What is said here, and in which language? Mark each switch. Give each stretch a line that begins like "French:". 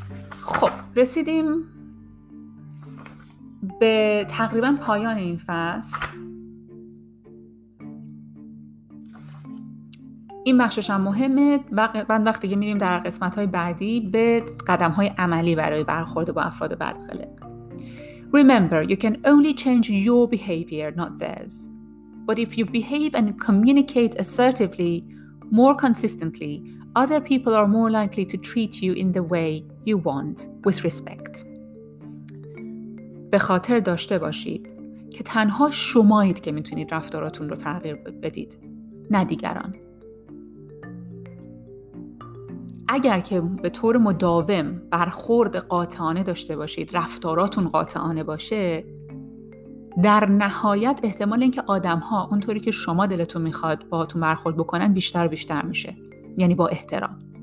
Persian: خب رسیدیم به تقریبا پایان این فصل. این بخشش هم مهمه. بعد وقتی که میریم در قسمت‌های بعدی به قدم‌های عملی برای برخورد با افراد بدقلق.
English: Remember, you can only change your behavior, not theirs. But if you behave and communicate assertively, more consistently, other people are more likely to treat you in the way you want, with respect.
Persian: به خاطر داشته باشید که تنها شمایید که میتونید رفتاراتون رو تغییر بدید، نه دیگران. اگر که به طور مداوم برخورد قاطعانه داشته باشید، رفتاراتون قاطعانه باشه، در نهایت احتمال اینکه آدم‌ها اونطوری که شما دلتون می‌خواد باهاتون برخورد بکنن بیشتر بیشتر میشه، یعنی با احترام.